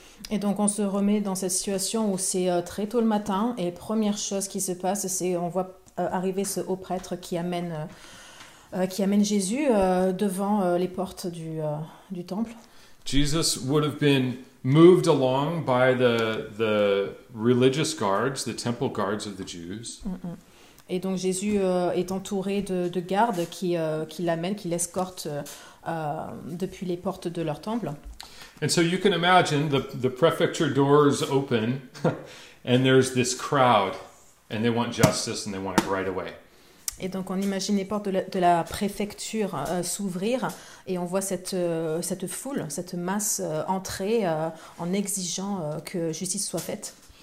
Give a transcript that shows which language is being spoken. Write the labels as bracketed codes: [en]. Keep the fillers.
[fr] Et donc on se remet dans cette situation où c'est très tôt le matin et première chose qui se passe, c'est qu'on voit arriver ce haut prêtre qui amène, qui amène Jésus devant les portes du, du temple. [en] Jesus would have been moved along by the the religious guards, the temple guards of the Jews. Mm-mm. -hmm. [fr] Jésus euh, est entouré de, de gardes qui euh, qui l'amènent, qui l'escortent euh, depuis les de temple. [en] And so you can imagine the the prefecture doors open, and there's this crowd, and they want justice, and they want it right away. [fr] Et donc on imagine les portes de la, de la préfecture euh, s'ouvrir et on voit cette, euh, cette foule, cette masse euh, entrer en exigeant que justice soit faite.